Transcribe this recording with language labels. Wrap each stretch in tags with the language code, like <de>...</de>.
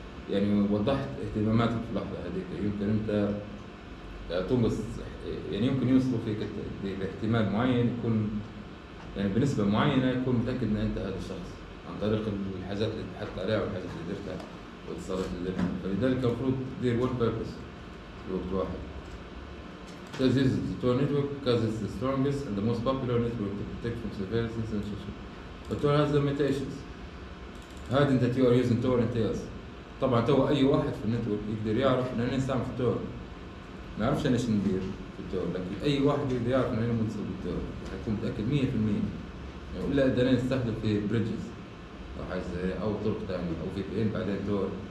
<ar>يعني وضحت اهتماماتك في اللحظه هذيك يمكن انت تنقص يعني يمكن يوصلوا فيك باهتمام معين يكون يعني بنسبه معينه يكون متاكد ان انت هذا الشخص عن طريق الحاجات اللي تحط عليها والحاجات اللي درتها والتصرفات اللي درتها فلذلك المفروض تدير ون بيربس في وقت واحد</ar> <en>This is the Tor network because it's the strongest and the most popular network to protect from surveillance and censorship. But Tor has limitations. Hiding that you are using Tor and Tails.</en> <ar>طبعا تو أي واحد في النتورك يقدر يعرف إن أنا نستعمل في Tor. ما أعرفش أنا إيش ندير في Tor. لكن أي واحد يقدر يعرف إن أنا متصل بالTor. هيكون متأكد 100%. إلا إذا أنا استخدم في bridges أو حاجة أو طرق تانية أو VPN بعدين Tor.</ar>